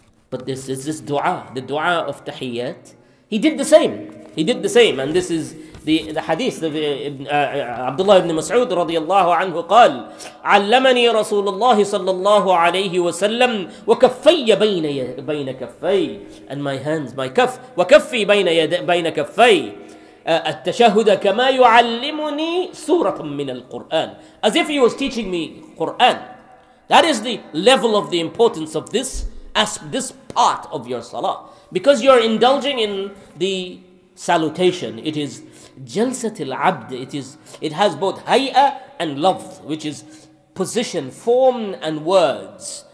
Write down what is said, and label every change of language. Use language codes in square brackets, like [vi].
[en] But this is this dua, the dua of tahiyyat. He did the same. And this is the hadith of Abdullah ibn Mas'ud radiyallahu anhu qal, [ar] عَلَّمَنِي رَسُولُ اللَّهِ صَلَّى اللَّهُ عَلَيْهِ وَسَلَّمْ وَكَفَّيَّ بَيْنَ كَفَّيِّ. [en] And my hands, my kaf, [ar] وَكَفِّي بَيْنَ كَفَّيِّ التَّشَهُدَ كَمَا يُعَلِّمُنِي سُورَةً مِّنَ الْقُرْآنِ. [en] As if he was teaching me Qur'an. That is the level of the importance of this as this part of your salah. Because you are indulging in the salutation. It is jalsatil abd. It has both hay'a and lafz, which is position, form and words.